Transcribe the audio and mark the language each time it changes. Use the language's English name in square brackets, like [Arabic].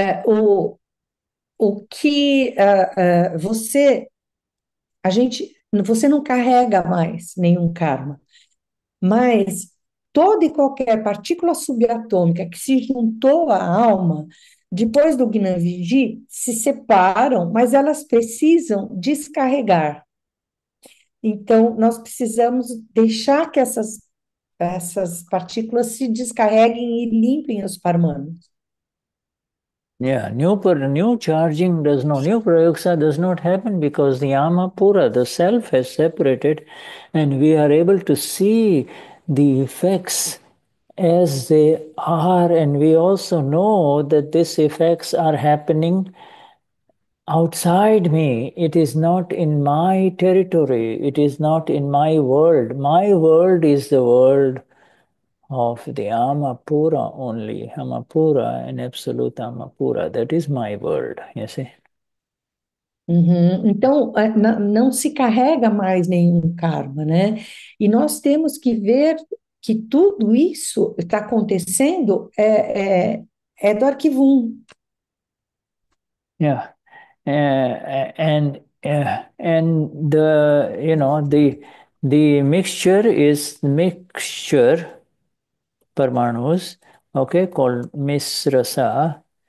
[Portuguese] O que você, a gente, você não carrega mais nenhum karma, mas toda e qualquer partícula subatômica que se juntou à alma, depois do Gnanvidhi, se separam, mas elas precisam descarregar. Então, nós precisamos deixar que essas partículas se descarreguem e limpem os parmanos. [English] Yeah, new charging does not, new prayoksha does not happen because the Ama Pura, the self, has separated, and we are able to see the effects as they are, and we also know that these effects are happening outside me. It is not in my territory. It is not in my world. My world is the world of the Amapura only, Amapura and absolute Amapura. That is my world, you see. [Portuguese] Então, não se carrega mais nenhum karma, né? E nós temos que ver que tudo isso que está acontecendo é do arquivo 1. [English] Yeah. And the, you know, the mixture is mixture. Parmanus, okay, called Misrasa.